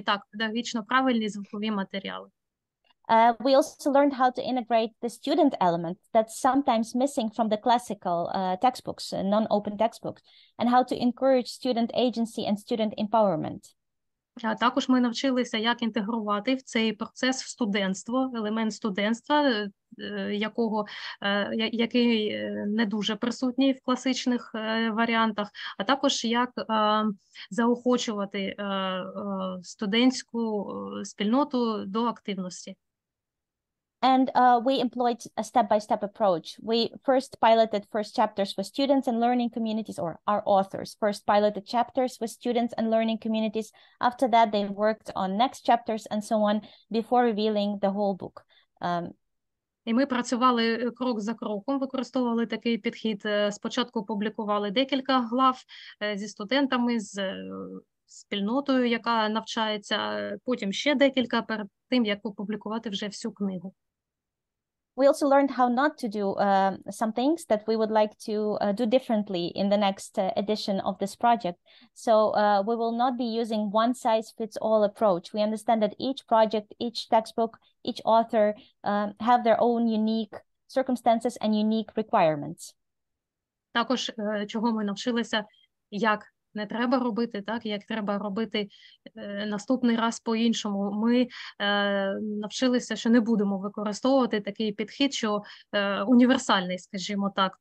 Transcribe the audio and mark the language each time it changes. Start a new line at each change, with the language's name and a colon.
Ukrainian: Педагогічно правильні звукові матеріали.
English: We also learned how to integrate the student element that's sometimes missing from the classical textbooks, non-open textbooks, and how to encourage student agency and student empowerment.
Ukrainian: Також ми навчилися, як інтегрувати в цей процес студентство, елемент студентства, якого, який не дуже присутній в класичних варіантах, а також як заохочувати студентську спільноту до активності.
English: And we employed a step-by-step approach. We first piloted first chapters with students and learning communities, or our authors first piloted chapters with students and learning communities. After that, they worked on next chapters and so on before revealing the whole book.
Ukrainian: І ми працювали крок за кроком, використовували такий підхід. Спочатку публікували декілька глав зі студентами, з спільнотою, яка навчається, потім ще декілька перед тим, як опублікувати вже всю книгу.
English: We also learned how not to do some things that we would like to do differently in the next edition of this project. So we will not be using one size fits all approach. We understand that each project, each textbook, each author have their own unique circumstances and unique requirements.
Ukrainian: Також чого ми навчилися, як не треба робити, так, як треба робити наступний раз по-іншому. Ми навчилися, що не будемо використовувати такий підхід, що універсальний, скажімо так.